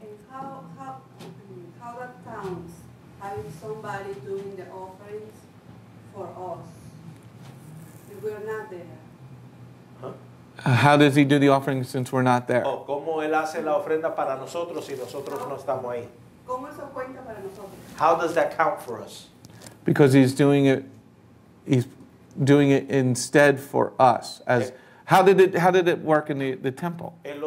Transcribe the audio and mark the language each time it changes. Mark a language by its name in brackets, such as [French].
[English] How that counts, having somebody doing the offerings for us if we're not there? Huh? How does he do the offering since we're not there? [Spanish] Oh, ¿cómo él hace la ofrenda para nosotros si nosotros no estamos ahí? ¿Cómo eso cuenta para nosotros? [English] How does that count for us? Because he's doing it instead for us, as How did it work in the temple?